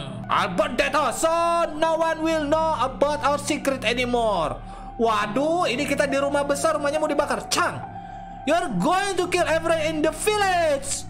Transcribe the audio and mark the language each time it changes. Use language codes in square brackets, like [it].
[en] About that house, so no one will know about our secret anymore. [id] Waduh, ini kita di rumah besar, rumahnya mau dibakar. [en] Chang, you're going to kill everyone in the village.